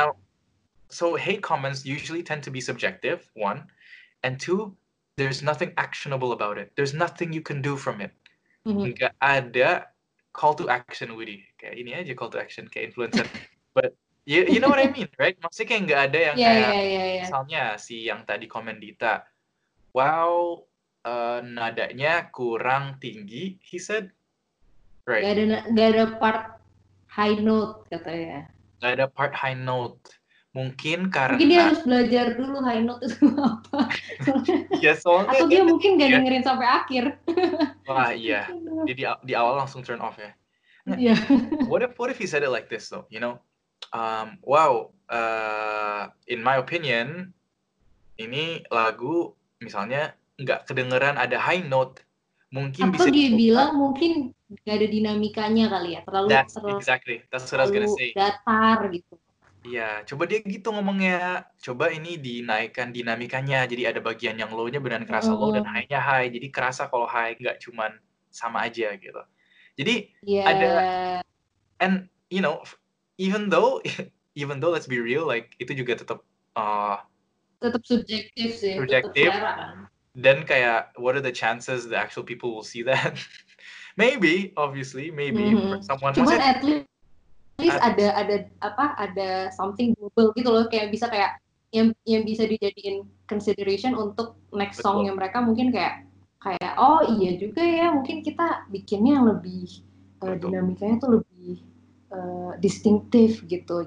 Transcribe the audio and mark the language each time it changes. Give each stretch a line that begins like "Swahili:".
English: Now, so hate comments usually tend to be subjective, one. And two, there's nothing actionable about it. There's nothing you can do from it.
Indonesian: Nggak ada call to action, Widi. Kayak ini aja call to action, kayak influencer.
English: But you know what I mean, right?
Indonesian: Maksudnya kayak nggak ada yang misalnya si yang tadi komen Dita. Wow... nadanya kurang tinggi,
English: he said. Right.
Indonesian: Gak ada part high note katanya. Gak ada part high note. Mungkin karena. Mungkin dia harus belajar dulu high note itu apa. Yeah, soalnya. Atau dia mungkin gak dengerin sampai akhir. Wah iya. Jadi di awal langsung
English: turn off
Indonesian: ya. Iya. Yeah.
English: What if he said it like this though? You know, wow. In my opinion,
Indonesian: ini lagu misalnya. Nggak kedengeran ada high note, mungkin bisa dia dipukar. Bilang mungkin nggak ada dinamikanya kali ya, terlalu
English: that's exactly that's what I was gonna say,
Indonesian: datar gitu ya, coba dia gitu ngomongnya, coba ini dinaikkan dinamikanya, jadi ada bagian yang low-nya benar kerasa low dan high-nya high, jadi kerasa kalau high nggak cuman sama aja gitu, jadi ada,
English: and you know, even though let's be real, like itu
Indonesian: juga tetap subjektif sih, subjektif.
English: Then kayak, what are the chances the actual people will see that? Maybe, obviously, maybe for someone.
Indonesian: Cuman at least ada something global gitu loh, kayak bisa kayak yang bisa dijadiin consideration untuk next song yang mereka mungkin kayak oh iya juga ya, mungkin kita bikinnya yang lebih dinamikanya tuh lebih distinctif gitu.